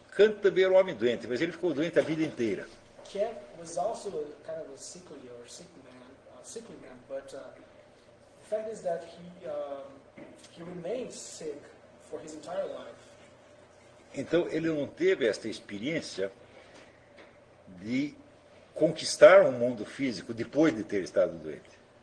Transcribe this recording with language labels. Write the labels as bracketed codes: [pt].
[pt] Kant também era um homem doente, mas ele ficou doente a vida inteira. [en] Kant was also a kind of a sickly or sickly man, but the fact is that he remained sick for his entire life. [pt] Então ele não teve esta experiência de conquistar um mundo físico depois de ter estado doente.